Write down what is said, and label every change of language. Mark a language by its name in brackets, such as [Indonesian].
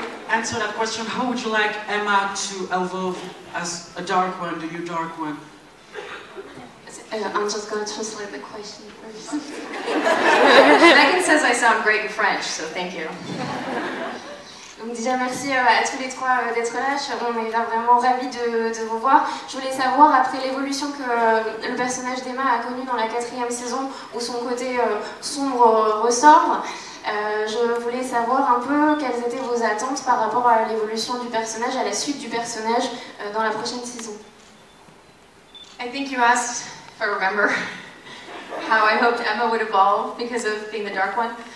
[English] And to answer that question, how would you like Emma to evolve as a Dark One, the new Dark One? I'm just gonna translate the question first. Meghan says I sound great in French, so thank you. [French] Donc déjà merci à tous les trois d'être là, on est vraiment ravis de vous voir. Je voulais savoir, après l'évolution que le personnage d'Emma a connue dans la quatrième saison, où son côté sombre ressort, je voulais savoir un peu quelles étaient vos attentes par rapport à l'évolution du personnage, à la suite du personnage dans la prochaine saison. [English] I think you asked, if I remember, how I hoped Emma would evolve because of being the Dark One.